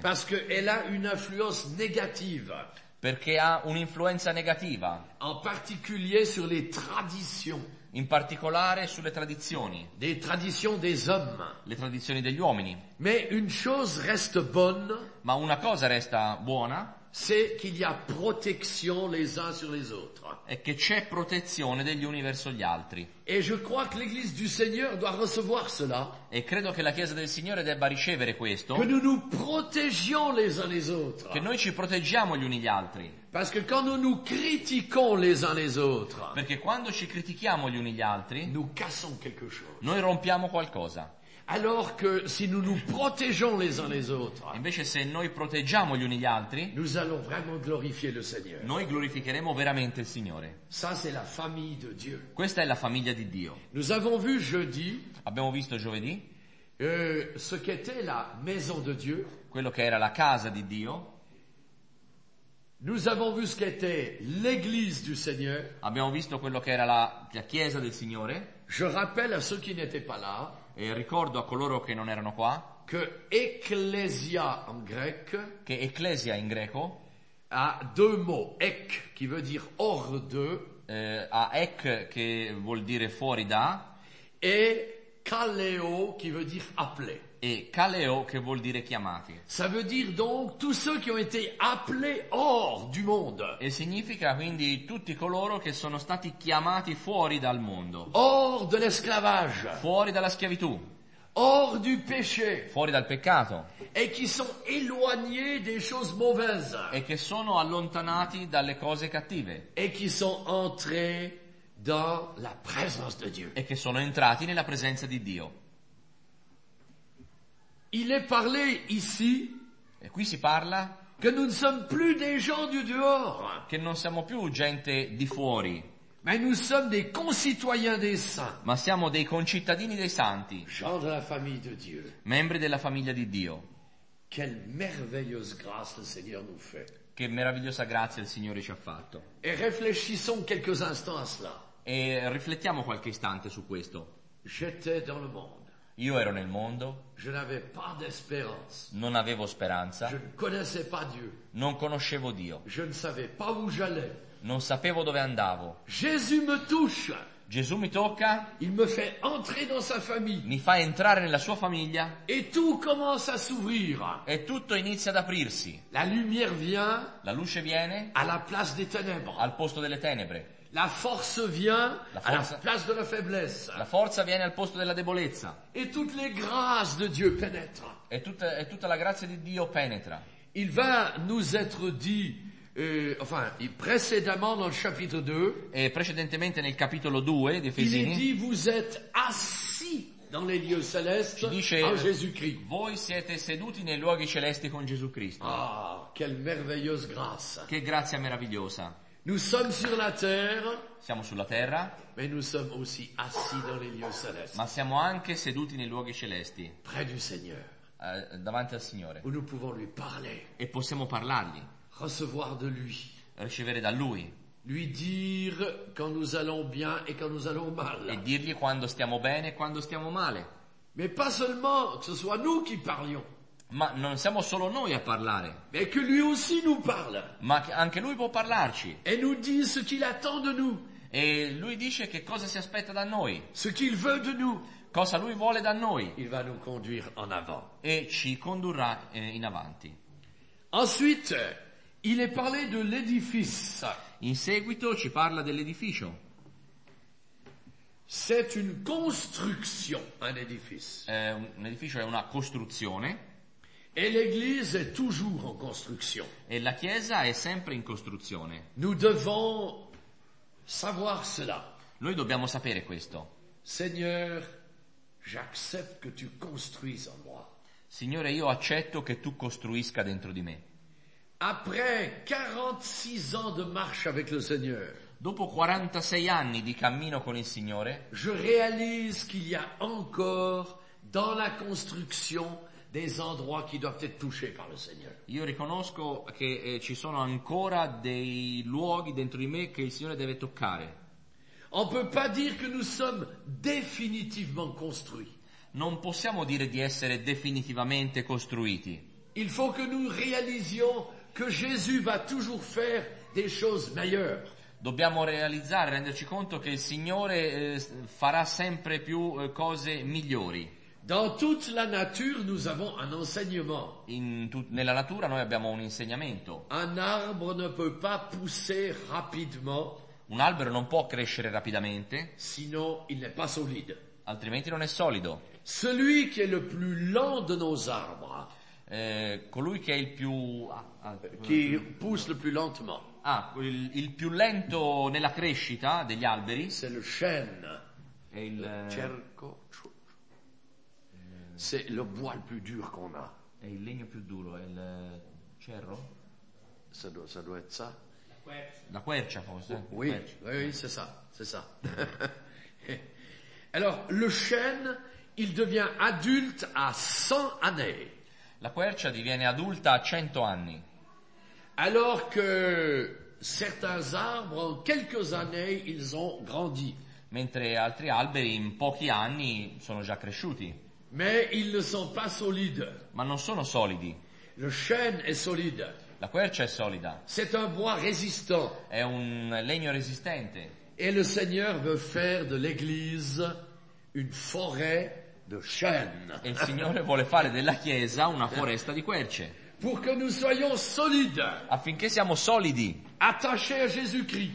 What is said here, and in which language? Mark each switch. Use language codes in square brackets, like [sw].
[fr] Parce que elle a une influence négative. [it] Perché ha un'influenza negativa. [fr] En particulier sur les traditions. [it] In particolare sulle tradizioni. [fr] Des traditions des hommes. [it] Le tradizioni degli uomini. [fr] Mais une chose reste bonne. [it] Ma una cosa resta buona. [fr] C'est qu'il y a protection les uns sur les autres. [it] E che c'è protezione degli uni verso gli altri. [fr] Et je crois que l'église du Seigneur doit recevoir cela. [it] E credo che la chiesa del Signore debba ricevere questo. [fr] Que nous nous protégions les uns les autres. [it] Che noi ci proteggiamo gli uni gli altri. [fr] Parce que quand nous nous critiquons les uns les autres. [it] Perché quando ci critichiamo gli uni gli altri. [fr] Nous cassons quelque chose. [it] Noi rompiamo qualcosa. [fr] Alors que si nous nous protégeons les uns les autres. [it] Invece se noi proteggiamo gli uni gli altri. [fr] Nous allons vraiment glorifier le Seigneur. [it] Noi glorificheremo veramente il Signore. [fr] Ça c'est la famille de Dieu. [it] Questa è la famiglia di Dio. [fr] Nous avons vu jeudi. [it] Abbiamo visto giovedì. [fr] Ce qu'était la maison de Dieu. [it] Quello che era la casa di Dio. [fr] Nous avons vu ce qu'était l'église du Seigneur. [it] Abbiamo visto quello che era la chiesa del Signore. [fr] Je rappelle à ceux qui n'étaient pas là. [it] E ricordo a coloro che non erano qua. [fr] Que ecclesia en grec. [it] Che ecclesia in greco. [fr] Ha deux mots. Ec, qui veut dire hors de. [it] Ha ec, che vuol dire fuori da. [fr] E kaleo, qui veut dire appelé. [it] E kaleo, che vuol dire chiamati. [fr] Ça veut dire donc tous ceux qui ont été appelés hors du monde. [it] E significa quindi tutti coloro che sono stati chiamati fuori dal mondo. [fr] Hors de l'esclavage. [it] Fuori dalla schiavitù. [fr] Hors du péché. [it] Fuori dal peccato. [fr] E qui sont éloignés des choses mauvaises. [it] E che sono allontanati dalle cose cattive. [fr] E qui sont entrés dans la présence de Dieu. [it] E che sono entrati nella presenza di Dio. [fr] Il est parlé ici. [it] E qui si parla? [fr] Que nous ne sommes plus des gens du dehors. [it] Che non siamo più gente di fuori. [fr] Mais nous sommes des concitoyens des saints. [it] Ma siamo dei concittadini dei santi. [fr] Gens de la famille de Dieu. [it] Membri della famiglia di Dio. [fr] Quelle merveilleuse grâce le Seigneur nous fait. [it] Che meravigliosa grazia il Signore ci ha fatto. [fr] Et réfléchissons quelques instants à cela. [it] E riflettiamo qualche istante su questo. [fr] J'étais dans le monde. [it] Io ero nel mondo. [fr] Je n'avais pas d'espérance. [it] Non avevo speranza. [fr] Je ne connaissais pas Dieu. [it] Non conoscevo Dio. [fr] Je ne savais pas où j'allais. [it] Non sapevo dove andavo. [fr] Jésus me touche. [it] Gesù mi tocca. [fr] Il me fait entrer dans sa famille. [it] Mi fa entrare nella sua famiglia. [fr] Et tout commence à s'ouvrir. [it] E tutto inizia ad aprirsi. [fr] La lumière vient. [it] La luce viene. [fr] À la place des ténèbres. [it] Al posto delle tenebre. [fr] La force vient à la place de la faiblesse. [it] La forza viene al posto della debolezza. [fr] Et toutes les grâces de Dieu pénètrent. [it] E tutta la grazia di Dio penetra. [fr] Il va nous être dit, précédemment dans le chapitre 2. [it] E precedentemente nel capitolo 2 di Efesini. [fr] Il est dit, vous êtes assis dans les lieux célestes [it] dice, [fr] en Jésus-Christ. [it] Voi siete seduti nei luoghi celesti con Gesù Cristo. [fr] Ah, quelle merveilleuse grâce. [it] Che grazia meravigliosa. [fr] Nous sommes sur la terre. [it] Siamo sulla terra. [fr] Mais nous sommes aussi assis dans les lieux célestes. [it] Ma siamo anche seduti nei luoghi celesti. [fr] Près du Seigneur. [it] Davanti al Signore. [fr] Où nous pouvons lui parler. [it] E possiamo parlargli. [fr] Recevoir de lui. [it] Ricevere da lui. [fr] Lui dire quand nous allons bien et quand nous allons mal. [it] E dirgli quando stiamo bene e quando stiamo male. [fr] Mais pas seulement que ce soit nous qui parlions. [it] Ma non siamo solo noi a parlare. [fr] E che lui aussi nous parle. [it] Ma anche lui può parlarci. [fr] E nous dit ce qu'il attend de nous. [it] E lui dice che cosa si aspetta da noi. [fr] Ce qu'il veut de nous. [it] Cosa lui vuole da noi. [fr] Il va nous conduire en avant. [it] E ci condurrà in avanti. [fr] Ensuite, il est parlé de l'édifice. [it] In seguito ci parla dell'edificio. [fr] C'est une construction, un édifice. [it] Un edificio è una costruzione. [fr] Et l'église est toujours en construction. [it] E la chiesa è sempre in costruzione. [fr] Nous devons savoir cela. [it] Noi dobbiamo sapere questo. [fr] Seigneur, j'accepte que tu construis en moi. [it] Signore, io accetto che tu costruisca dentro di me. [fr] Après 46 ans de marche avec le Seigneur. [it] Dopo 46 anni di cammino con il Signore, [fr] je réalise qu'il y a encore dans la construction des endroits qui doivent être touchés par le Seigneur. [it] Io riconosco che ci sono ancora dei luoghi dentro di me che il Signore deve toccare. [fr] On peut pas dire que nous sommes définitivement construits. [it] Non possiamo dire di essere definitivamente costruiti. [fr] Il faut que nous réalisions que Jésus va toujours faire des choses meilleures. [it] Dobbiamo realizzare, renderci conto che il Signore farà sempre più cose migliori. [fr] Dans toute la nature, nous avons un enseignement. [it] Nella natura noi abbiamo un insegnamento. [fr] Un arbre ne peut pas pousser rapidement. [it] Un albero non può crescere rapidamente. [fr] Sinon, il n'est pas solide. [it] Altrimenti non è solido. [fr] Celui qui est le plus lent de nos arbres. [it] Colui che è il più. [fr] Qui pousse le plus lentement. [it] Ah, il più lento nella crescita degli alberi. [fr] C'est le chêne. [it] È il cerco. [fr] C'est le bois le plus dur qu'on a. [it] È il legno più duro, è il cerro. [fr] Ça doit être ça. [it] La quercia forse. [fr] Oui, quercia. Oui, c'est ça, c'est ça. Alors, le chêne, il devient adulte à 100 années. [it] La quercia diviene adulta a 100 anni. [fr] Alors que certains arbres, en quelques années, ils ont grandi. [it] Mentre altri alberi, in pochi anni, sono già cresciuti. [fr] Mais ils ne sont pas solides. [it] Ma non sono solidi. [fr] Le chêne est solide. [it] La quercia è solida. [fr] C'est un bois résistant. [it] È un legno resistente. [fr] Et le Seigneur veut faire de l'Église une forêt de chêne. [it] E il Signore vuole fare della Chiesa una foresta di querce. [fr] Pour que nous soyons solides. [it] Affinché siamo solidi. [fr] Attachés à Jésus-Christ.